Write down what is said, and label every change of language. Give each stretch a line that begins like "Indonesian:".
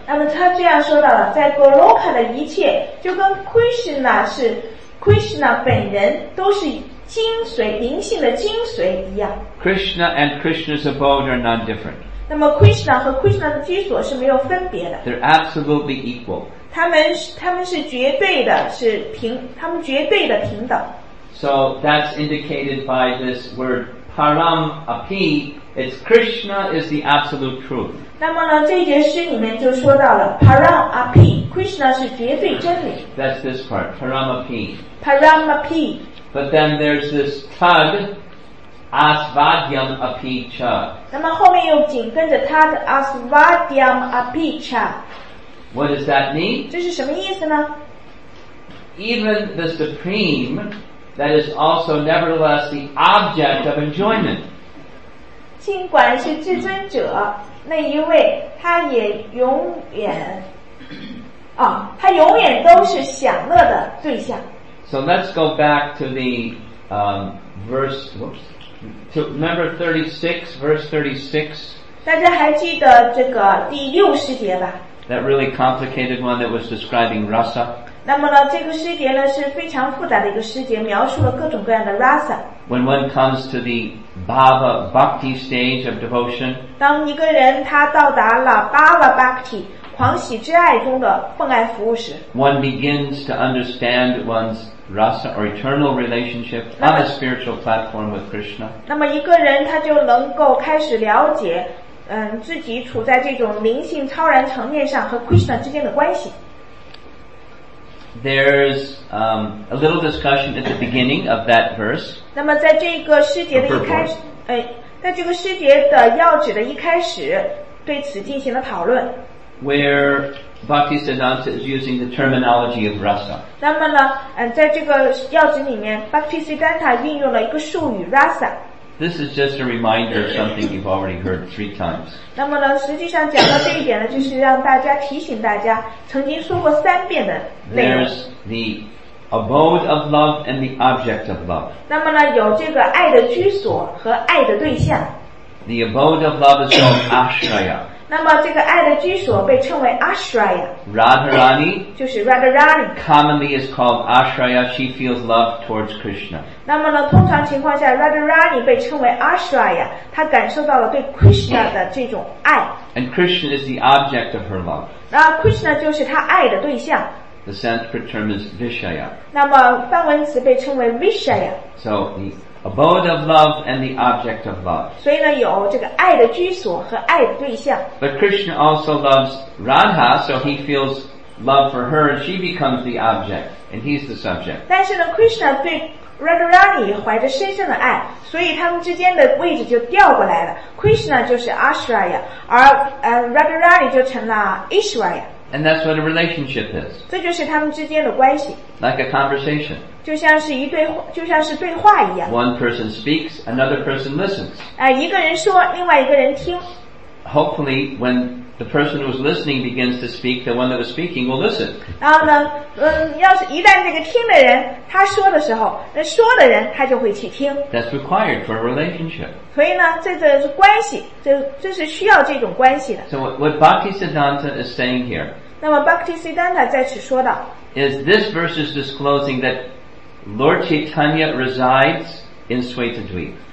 Chinese: 那么他这样说到了，在 Goloka 的一切就跟 Krishna 是 Krishna 本人都是精髓灵性的精髓一样。
English: Krishna and Krishna's abode are none different.
Chinese: 那么 Krishna 和 Krishna 的居所是没有分别的。
English: They're absolutely equal.
Chinese: 他们是绝对的，是平，他们绝对的平等。
English: So that's indicated by this word param api. It's Krishna is the absolute truth.
Chinese: 那么呢，这节诗里面就说到了 Param Api, Krishna 是绝对真理。
English: That's this part, Param Api. Param Api. But then there's this Tad Asvadyam Api Cha.
Chinese: 那么后面又紧跟着 Tad Asvadyam Api Cha.
English: What does that mean?
Chinese: 这是什么意思呢？
English: Even the Supreme, that is also nevertheless the object of enjoyment.
Chinese: 尽管是至尊者那一位，他也永远啊，他永远都是享乐的对象。
English: So let's go back to the verse. Whoops, to remember 36, verse 36.
Chinese: 大家还记得这个第六诗节吧
English: ？That really complicated one that was describing rasa.
Chinese: 那么呢，这个诗节呢是非常复杂的一个诗节，描述了各种各样的 rasa.
English: When one comes to the Bhava Bhakti stage of devotion.
Chinese: 当一个人他到达了 Bhava Bhakti 狂喜之爱中的奉爱服务时，
English: one begins to understand one's rasa or eternal relationship on a spiritual platform with Krishna.
Chinese: 那么一个人他就能够开始了解，自己处在这种灵性超然层面上和 Krishna 之间的关系。
English: There's a little discussion at the beginning of that verse.
Chinese: 那么在这个诗节的一开始，在这个诗节的要旨的一开始，对此进行了讨论。
English: Where Bhakti Siddhanta is using the terminology of rasa.
Chinese: 那么呢，在这个要旨里面 ，Bhakti Siddhanta 运用了一个术语 rasa。
English: This is just a reminder of something you've already heard three times.
Chinese: 那么呢，实际上讲到这一点呢，就是让大家提醒大家曾经说过三遍的内容。
English: There's the abode of love and the object of love.
Chinese: 那么呢，有这个爱的居所和爱的对象。
English: The abode of love is called ashraya.
Chinese: 那么这个爱的居所被称为 ashraya.
English: Radharani
Chinese: 就是 Radharani.
English: Commonly is called ashraya. She feels love towards Krishna.
Chinese: 那么呢，通常情况下 ，Radharani 被称为 ashraya， 她感受到了对 Krishna 的这种爱。
English: And Krishna is the object of her love.
Chinese: 那 Krishna 就是她爱的对象。
English: The Sanskrit term is Vishaya.
Chinese: 那么梵文词被称为 Vishaya.
English: So the abode of love and the object of love.
Chinese: 所以呢，有这个爱的居所和爱的对象。
English: But Krishna also loves Radha, so he feels love for her, and she becomes the object, and he's the subject.
Chinese: 但是呢 ，Krishna 对Radharani 怀着深深的爱，所以他们之间的位置就调过来了。 Krishna 就是 Ashraya， 而Radharani 就成了 Ishwarya。
English: And that's what a relationship is.
Chinese: 这就是他们之间的关系。
English: Like a conversation.
Chinese: 就像是对话一样。
English: One person speaks, another person listens.
Chinese: 一个人说，另外一个人听。
English: Hopefully, when the person who's listening begins to speak, the one that was speaking will listen.
Chinese: 然后呢，要是一旦这个听的人他说的时候，那说的人他就会去听。
English: That's required for a relationship.
Chinese: 所以呢，这是关系，这是需要这种关系的。
English: So what Bhakti Siddhanta is saying here?
Chinese: 那么 Bhakti Siddhanta 在此说到
English: is this verse is disclosing that Lord Chaitanya resides in Svetadvipa.